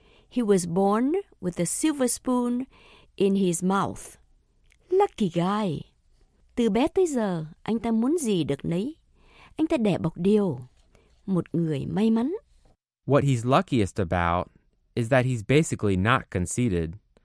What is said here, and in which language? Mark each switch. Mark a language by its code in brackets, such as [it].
[en] He was born with a silver spoon in his mouth. Lucky guy. [vi] Từ bé tới giờ, anh ta muốn gì được nấy. Anh ta đẻ bọc điều. Một người may mắn. [en] What he's luckiest about is that he's basically not conceited.